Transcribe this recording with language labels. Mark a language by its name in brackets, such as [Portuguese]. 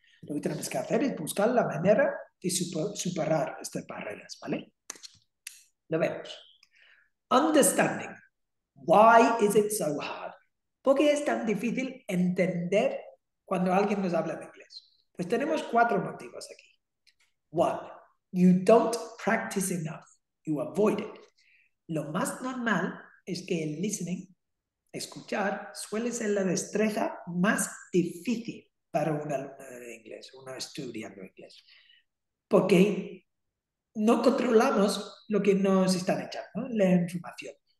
[Spanish] Lo que tenemos que hacer es buscar la manera de superar estas barreras, ¿vale? Lo vemos. Understanding. [English] Why is it so hard? [Spanish] ¿Por qué es tan difícil entender cuando alguien nos habla en inglés? Pues tenemos cuatro motivos aquí. [English] One, you don't practice enough, you avoid it. [Spanish] Lo más normal es que el listening, escuchar, suele ser la destreza más difícil para un alumno de inglés, uno estudiando inglés. Porque no controlamos lo que nos están echando, ¿no? La información.